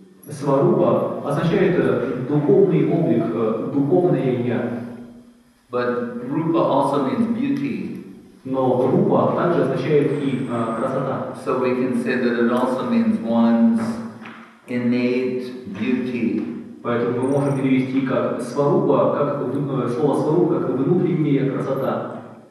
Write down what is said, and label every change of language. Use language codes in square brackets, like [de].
[ru] Сварупа означает духовный облик, духовное я. [en] But rupa also means beauty. [ru] Но рупа также означает и красота. [en] So we can say that it also means one's innate beauty. [ru] Поэтому мы можем перевести как сварупа, как слово сварупа, как внутренняя красота.